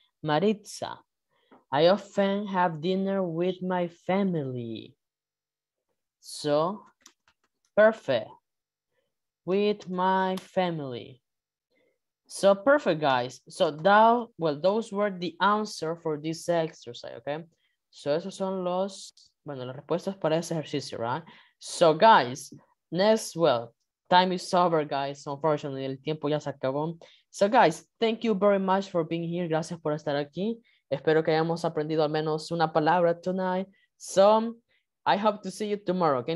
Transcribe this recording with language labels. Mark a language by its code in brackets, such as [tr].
[en] Maritza. I often have dinner with my family. So, perfect. With my family. So, perfect, guys. So, those were the answer for this exercise, okay? [es] So, esos son las respuestas para ese ejercicio, right? [en] So, guys, next, time is over, guys. Unfortunately, [es] el tiempo ya se acabó. [en] So, guys, thank you very much for being here. [es] Gracias por estar aquí. Espero que hayamos aprendido al menos una palabra [en] tonight. So, I hope to see you tomorrow, okay?